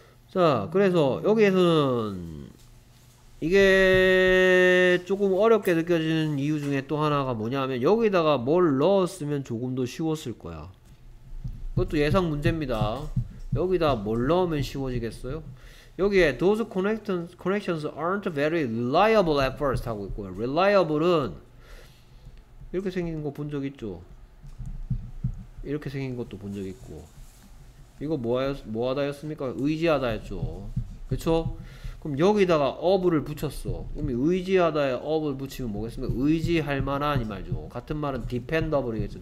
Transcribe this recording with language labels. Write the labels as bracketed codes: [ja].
[ko] 자, 그래서 여기에서는 이게 조금 어렵게 느껴지는 이유 중에 또 하나가 뭐냐면 여기다가 뭘 넣었으면 조금 더 쉬웠을 거야. 그것도 예상 문제입니다. 여기다 뭘 넣으면 쉬워지겠어요? 여기에 [en] those connections aren't very reliable at first [ko] 하고 있고요. reliable은 이렇게 생긴 거본적 있죠? 이렇게 생긴 것도 본적 있고. 이거 뭐하다였습니까? 의지하다였죠. 그쵸? 그럼 여기다가 of를 붙였어. 그럼 의지하다에 of를 붙이면 뭐겠습니까? 의지할 만한 이 말이죠. 같은 말은 dependable이겠죠.